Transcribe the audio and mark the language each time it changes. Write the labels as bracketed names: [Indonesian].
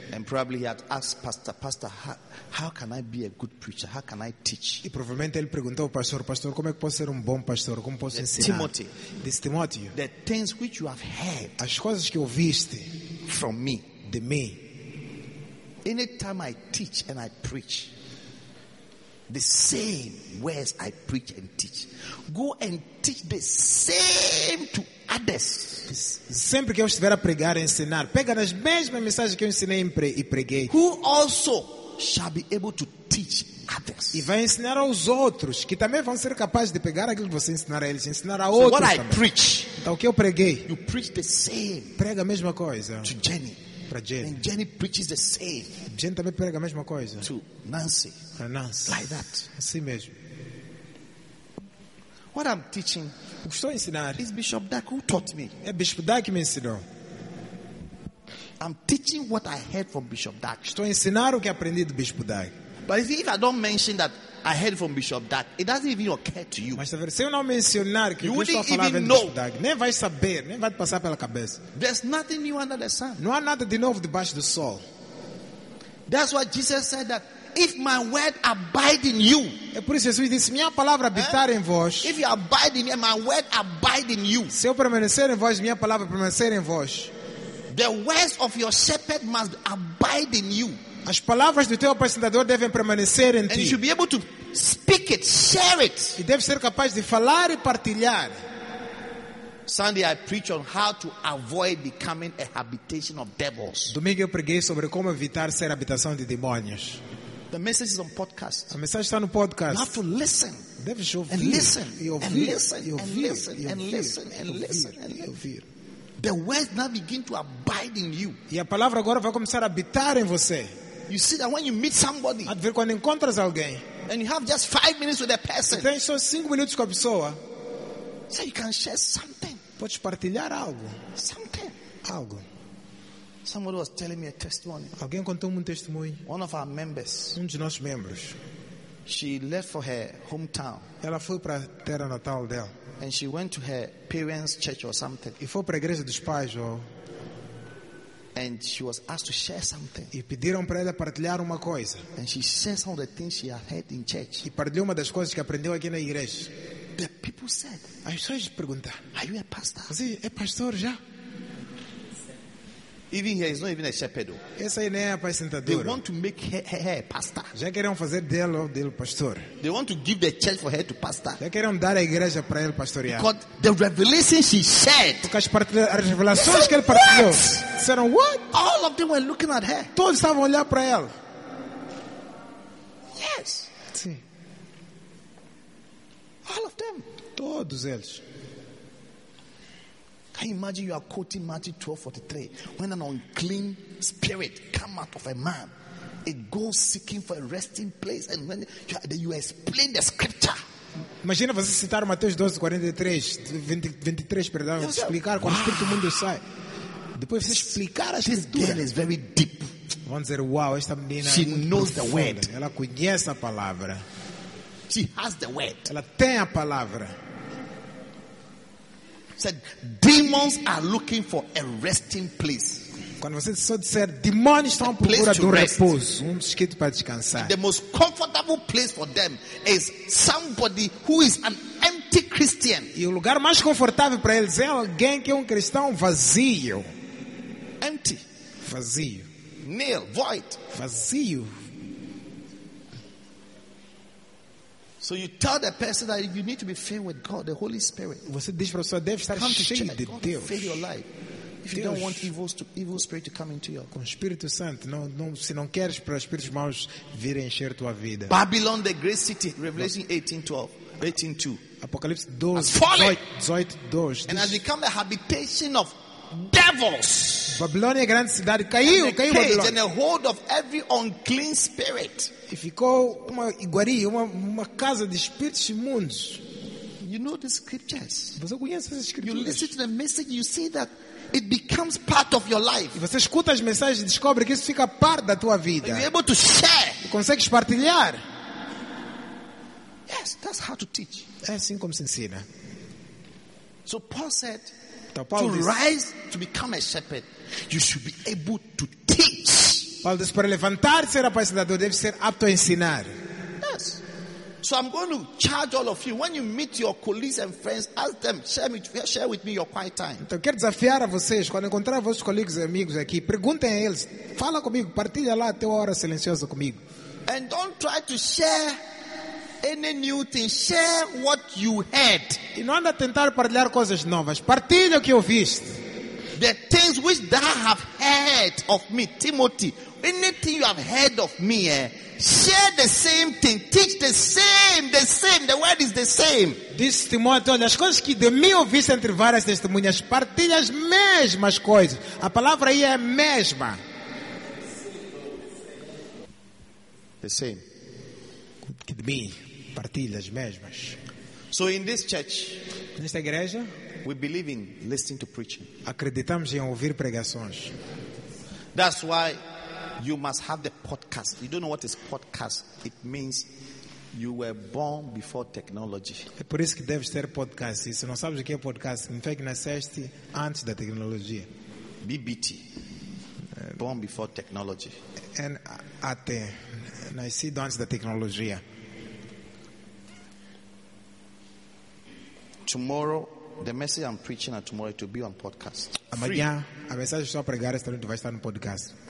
[English] And probably he had asked pastor, how can I be a good preacher? How can I teach? [Portuguese] E provavelmente ele perguntou ao pastor, como é que posso ser um bom pastor? Como posso ensinar? [English] Timothy. [Portuguese] Diz Timóteo. [English] The things which you have heard. [Portuguese] As coisas que ouviste [English] from me. [Portuguese] De mim. [English] Any time I teach and I preach, the same words I preach and teach, go and teach the same to others. [Portuguese] Sempre que eu estiver a pregar e ensinar, pega nas mesmas mensagens que eu ensinei e preguei. [English] Who also shall be able to teach others? [Portuguese] E vai ensinar aos outros, que também vão ser capazes de pegar aquilo que você ensinar a eles, ensinar a [English] so [Portuguese] outros. [English] What [Portuguese] também. [English] I preach, [Portuguese] então, o que eu preguei, [English] you preach the same. [Portuguese] Prega a mesma coisa. [English] To Jenny. [Portuguese] Para Jenny. [English] And Jenny preaches the same. [Portuguese] Jenny também prega a mesma coisa. [English] To Nancy. [Portuguese] Para Nancy. [English] Like that. [Portuguese] Assim mesmo. [English] What I'm teaching, [Portuguese] o que estou a ensinar, [English] is Bishop Dyke who taught me. [Portuguese] É Bishop Dyke me ensinou. [English] I'm teaching what I heard from Bishop Dyke. [Portuguese] Estou a ensinar o que aprendi do Bishop Dyke. [English] But see, if I don't mention that I heard from Bishop Dyke, it doesn't even occur to you. [Portuguese] Mas se eu não mencionar que [English] you [Portuguese] eu estou a falar do Bishop Dyke, nem vai saber, nem vai passar pela cabeça. [English] There's nothing new under the sun. [Portuguese] Não há nada de novo debaixo do sol. [English] That's what Jesus said, that if my word abide in you. [Portuguese] É por isso que Jesus disse, minha palavra habitar em vós. [English] If you abide in me, my word abide in you. [Portuguese] Se eu permanecer em vós, minha palavra permanecer em vós. [English] The words of your shepherd must abide in you. [Portuguese] As palavras do teu apacentador devem permanecer em ti. [English] And you should be able to speak it, share it. [Portuguese] E deve ser capaz de falar e partilhar. [English] Sunday I preach on how to avoid becoming a habitation of devils. [Portuguese] Domingo eu preguei sobre como evitar ser habitação de demônios. [English] The message is on podcast. [Portuguese] A mensagem está no podcast. [English] You have to listen. [Portuguese] Deve ouvir. [English] And listen. [Portuguese] E ouvir. [English] The words now begin to abide in you. [Portuguese] E a palavra agora vai começar a habitar em você. [English] You see that when you meet somebody. [Portuguese] Ver quando encontras alguém. [English] And you have just 5 minutes with a person. [Portuguese] Tem só 5 minutos com a pessoa. [English] So you can share something. [Portuguese] Podes partilhar algo. [English] Something. [Portuguese] Algo. [English] Somebody was telling me a testimony. [Portuguese] Alguém contou-me um testemunho. [English] One of our members. [Portuguese] Um de nossos membros. [English] She left for her hometown. [Portuguese] Ela foi para a terra natal dela. [English] And she went to her parents' church or something. [Portuguese] E foi para a igreja dos pais, ou. [English] And she was asked to share something. [Portuguese] E pediram para ela partilhar uma coisa. [English] And she shared some of the things she had heard in church. [Portuguese] E partilhou uma das coisas que aprendeu aqui na igreja. [English] The people said. [Portuguese] As pessoas perguntaram. [English] Are you a pastor? [Portuguese] Você é pastor já? [English] Even here, he's not even a shepherd. [Portuguese] Essa aí não é a apacentadora. [English] They want to make her pastor. [Portuguese] Já queriam fazer dela ou dele pastor. [English] They want to give the church for her to pastor. [Portuguese] Já queriam dar a igreja para ele pastorear. [English] Because the revelation she shared. [Portuguese] Porque as revelações que ele partilhou. Disseram, what? [English] All of them were looking at her. [Portuguese] Todos estavam a olhar para ela. [English] Yes. [Portuguese] Sim. [English] All of them. [Portuguese] Todos eles. [English] Can you imagine you are quoting Matthew 12:43 when an unclean spirit come out of a man, it goes seeking for a resting place, and when you explain the scripture. [Portuguese] Imagina você citar Mateus 12:23, explicar quando o espírito mundo sai. Depois você explicar a escritura. [English] This girl is very deep. [Portuguese] Vamos dizer, wow, esta menina. [English] She knows the word. [Portuguese] Ela conhece a palavra. [English] She has the word. [Portuguese] Ela tem a palavra. [English] Said demons are looking for a resting place. [Portuguese] Quando você só disser, demônios estão à procura de repouso, sítio para descansar. [English] The most comfortable place for them is somebody who is an empty Christian. [Portuguese] E o lugar mais confortável para eles é alguém que é cristão vazio. [English] Empty. [Portuguese] Vazio. [English] Nil. Void. [Portuguese] Vazio. [English] So you tell the person that you need to be filled with God, the Holy Spirit. [Portuguese] Você diz para a pessoa deve estar cheio de Deus. [English] Fill your life. If you don't want evil spirit to come into your [Portuguese] com o Espírito Santo, não, se não queres para os espíritos maus virem encher tua vida. [English] Babylon, the great city, Revelation 18:2. [Portuguese] Apocalipse 12:2. [English] And has become a habitation of devils. [Portuguese] Babilônia, grande cidade, caiu Babilônia. [English] And a hold of every unclean spirit. [Portuguese] E ficou uma iguaria, uma casa de espíritos imundos. [English] You know the scriptures. [Portuguese] Você conhece as escrituras. [English] You listen to the message, you see that it becomes part of your life. [Portuguese] E você escuta as mensagens e descobre que isso fica parte da tua vida. [English] You're able to share. [Portuguese] Consegues partilhar. [English] Yes, that's how to teach. [Portuguese] É assim como se ensina. [English] So Paul said, [Portuguese] então, Paulo [English] to [Portuguese] disse, [English] rise to become a shepherd, you should be able to teach. [Portuguese] Paulo disse, para levantar e ser apacentador, deve ser apto a ensinar. [English] Yes. So I'm going to charge all of you. When you meet your colleagues and friends, ask them, share with me your quiet time. [Portuguese] Então, quero desafiar a vocês, quando encontrar vossos colegas e amigos aqui, perguntem a eles, fala comigo, partilha lá a tua hora silenciosa comigo. [English] And don't try to share any new thing. Share what you heard. [Portuguese] E não anda a tentar partilhar coisas novas. Partilha o que ouviste. [English] The things which thou have heard of me, Timothy, anything you have heard of me, share the same thing, teach the same, the word is the same. [Portuguese] Diz Timóteo, olha, as coisas que de mim ouviste entre várias testemunhas, partilha as mesmas coisas. A palavra aí é a mesma. [English] The same. [Portuguese] Que de mim, partilha as mesmas. [English] So in this church, [Portuguese] nesta igreja, [English] we believe in listening to preaching. [Portuguese] Acreditamos em ouvir pregações. [English] That's why you must have the podcast. You don't know what is podcast. It means you were born before technology. [Portuguese] É por isso que deves ter podcast. Se não sabes o que é podcast, em fact, nasceste antes da tecnologia. [English] BBT. Born before technology. [Portuguese] NAT. Nascido antes da tecnologia. [English] Tomorrow, the message I'm preaching at tomorrow, it will be on podcast. [Portuguese] Amanhã, a mensagem só pregar esta noite vai estar no podcast.